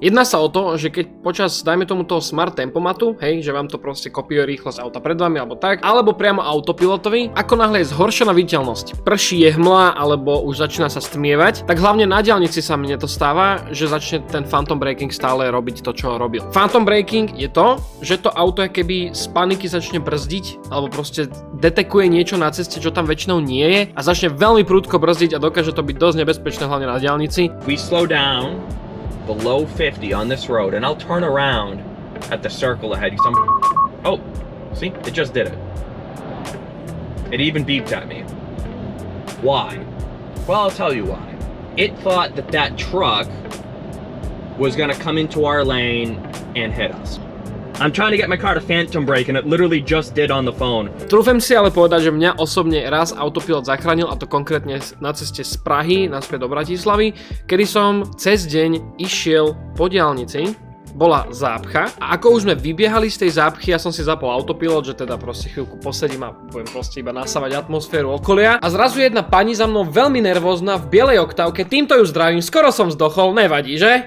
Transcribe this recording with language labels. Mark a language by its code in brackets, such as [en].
[sk] Jedná sa o to, že keď počas dajme tomu toho smart tempomatu, hej, že vám to proste kopíruje rýchlosť auta pred vami alebo tak, alebo priamo autopilotovi, ako náhle je zhoršená viditeľnosť, prší, je hmla alebo už začína sa stmievať, tak hlavne na diaľnici sa mi to stáva, že začne ten phantom braking stále robiť to, čo robil. Phantom braking je to, že to auto keby z paniky začne brzdiť alebo proste detekuje niečo na ceste, čo tam väčšinou nie je a začne veľmi prudko brzdiť a dokáže to byť dosť nebezpečné hlavne na diaľnici. [en] We slow down below 50 on this road and I'll turn around at the circle ahead. Some... Oh, see? It just did it. It even beeped at me. Why? Well, I'll tell you why. It thought that that truck was gonna come into our lane and hit us. I'm trying to get my car to phantom brake and it literally just did on the phone. [sk] Trúfam si ale povedať, že mňa osobne raz autopilot zachránil a to konkrétne na ceste z Prahy naspäť do Bratislavy, kedy som cez deň išiel po diaľnici. Bola zápcha a ako už sme vybiehali z tej zápchy, ja som si zapol autopilot, že teda proste chvíľku posedím a budem proste iba nasávať atmosféru okolia a zrazu jedna pani za mnou veľmi nervózna v bielej oktávke, týmto ju zdravím, skoro som zdochol, nevadí, že?